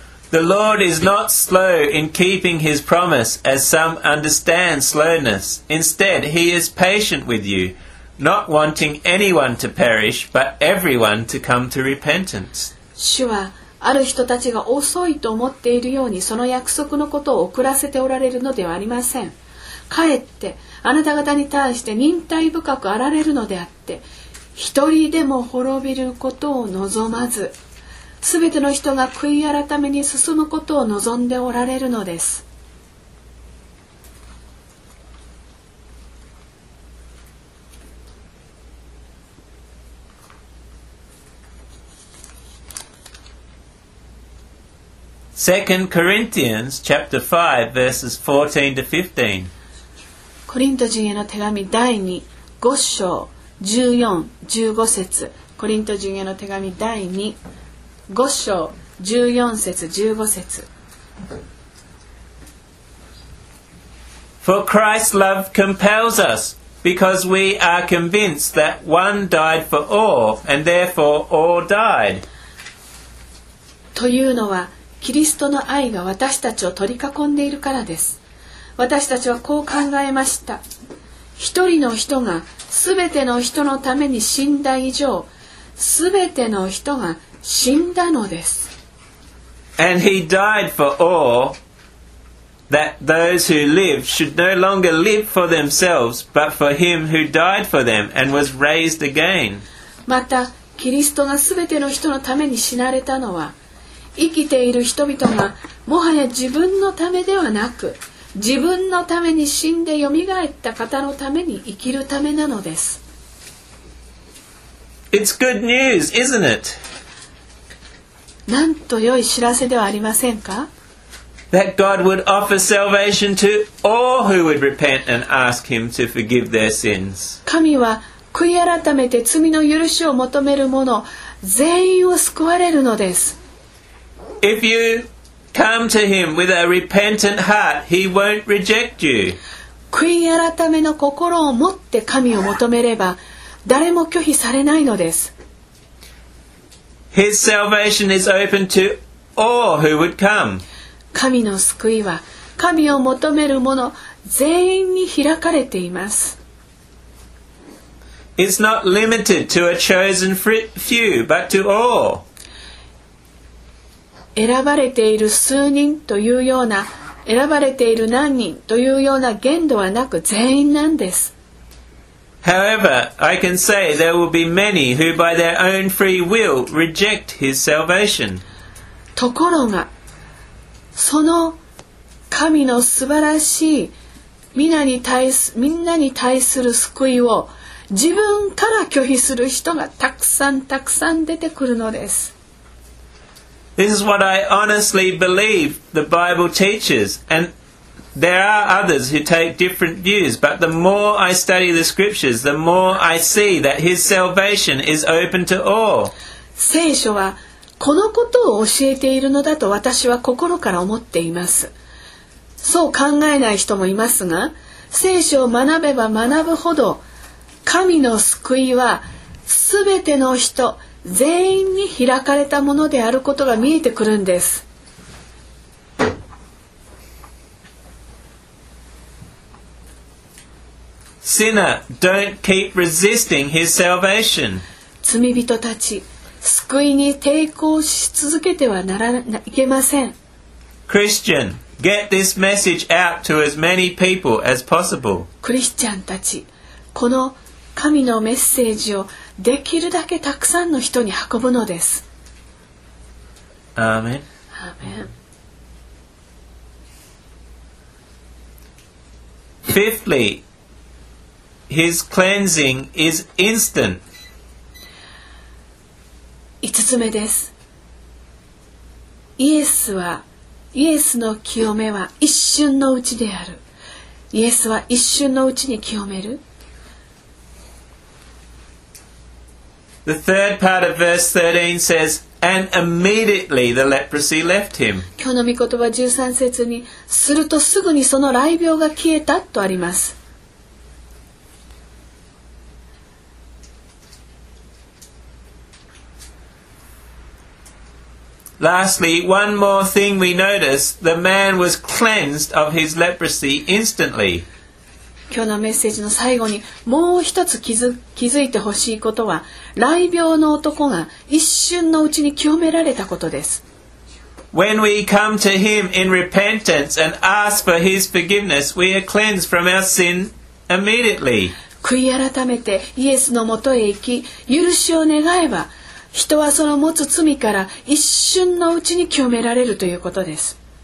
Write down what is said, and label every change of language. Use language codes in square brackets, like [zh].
[en] The Lord is not slow in keeping his promise, as some understand slowness. Instead, he is patient with you, not wanting anyone to perish, but everyone to come to repentance. [ja] 主はある人たちが遅いと思っているように、その約束のことを遅らせておられるのではありません。かえって、あなた方に対して忍耐深くあられるのであって、一人でも滅びることを望まず、すべての人が悔い改めに進むことを望んでおられるのです。 [en] 2 Corinthians chapter 5 verses 14 to 15. [ja] コリント人への手紙第2、5章14、15節。コリント人への手紙第25章14節15節 [en] For Christ's love compels us, because we are convinced that one died for all, and therefore all died. [ja] というのは、キリストの愛が私たちを取り囲んでいるからです。私たちはこう考えました。一人の人がすべての人のために死んだ以上、すべての人が死んだのです。 [en] And he died for all, that those who live should no longer live for themselves, but for him who died for them and was raised again. [ja] また、キリストがすべての人のために死なれたのは、生きている人々がもはや自分のためではなく、自分のために死んでよみがえった方のために生きるためなのです。 [en] It's good news, isn't it? [ja] なんと良い知らせではありませんか? [en] That God would offer salvation to all who would repent and ask Him to forgive their sins. [ja] 神は悔い改めて罪の許しを求める者全員を救われるのです。 [en] If you come to Him with a repentant heart, He won't reject you. [ja] 悔い改めの心を持って神を求めれば誰も拒否されないのです。 [en] His salvation is open to all who would come. [ja] 神の救いは神を求める者全員に開かれています。 [en] It's not limited to a chosen few, but to all. [ja] 選ばれている数人というような、選ばれている何人というような限度はなく全員なんです。 [en] However, I can say there will be many who by their own free will reject his salvation. [ja] ところが、その神の素晴らしい みんなに対する救いを自分から拒否する人がたくさんたくさん出てくるのです。 [en] This is what I honestly believe the Bible teaches andThere are others who take different views, but the more I study the scriptures, the more I see that his salvation is open to all. [ja] 聖書はこのことを教えているのだと私は心から思っています。そう考えない人もいますが、聖書を学べば学ぶほど、神の救いはすべての人全員に開かれたものであることが見えてくるんです。 [en] Sinner, don't keep resisting his salvation. [ja] 罪人たち、救いに抵抗し続けてはならないけません。 [en] Christian, get this message out to as many people as possible. [ja] クリスチャンたち、この神のメッセージをできるだけたくさんの人に運ぶのです。アーメン。アーメン。 [en] Fifthly,His cleansing is instant. [ja] 5つ目です。イエスの清めは一瞬のうちである。イエスは一瞬のうちに清める。 [en] The third part of verse 13 says, and immediately the leprosy left him. [ja] 今日の御言葉13節に、するとすぐにその癩病が消えたとあります。 [en] Lastly, one more thing we notice, the man was cleansed of his leprosy instantly. [ja] 今日のメッセージの最後にもう一つ気づいてほしいことは、雷病の男が一瞬のうちに清められたことです。 [en] When we come to him in repentance and ask for his forgiveness, we are cleansed from our sin immediately. [ja] 悔い改めてイエスのもとへ行き、許しを願えば、人はその持つ罪から一瞬のうちに清められるということです。